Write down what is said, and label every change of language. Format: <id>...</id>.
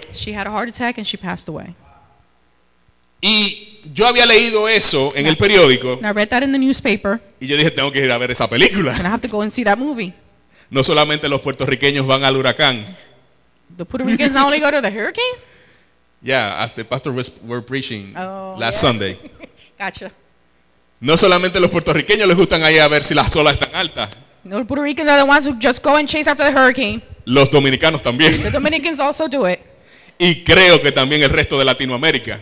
<en>She had a heart attack and she passed away.</en> <es>Y yo había leído eso en el periódico.</es> <en>And I read that in the newspaper.</en> <es>Y yo dije, tengo que ir a ver esa película.</es> <en>And I have to go and see that movie.</en> <es>No solamente los puertorriqueños van al huracán.</es> <en>The Puerto Ricans not only go to the hurricane? Yeah, as the pastor was were preaching oh, last yeah. Sunday. Gotcha.</en> <es>No solamente los puertorriqueños les gustan ahí a ver si las olas están altas.</es> <en>No, the Puerto Ricans are the ones who just go and chase after the hurricane.</en> <es>Los dominicanos también.</es> <en>The Dominicans also do it.</en> <es>Y creo que también el resto de Latinoamérica.</es>